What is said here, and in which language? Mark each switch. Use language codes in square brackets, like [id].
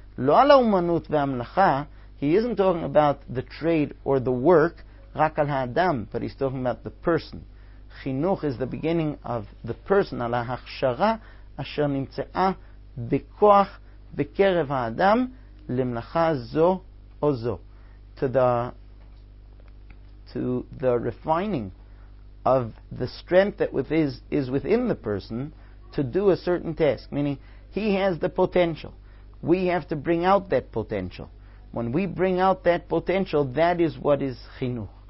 [he] לא על האומנות והמלאכה, [en] he isn't talking about the trade or the work, [he] רק על האדם, [en] but he's talking about the person. [he] חינוך is the beginning of the person, על ההכשרה, אשר נמצאה בכוח בקרב האדם למלאכה זו או זו. [en] To the refining of the strength that is within the person to do a certain task. Meaning, he has the potential. We have to bring out that potential. When we bring out that potential, that is what is chinuch.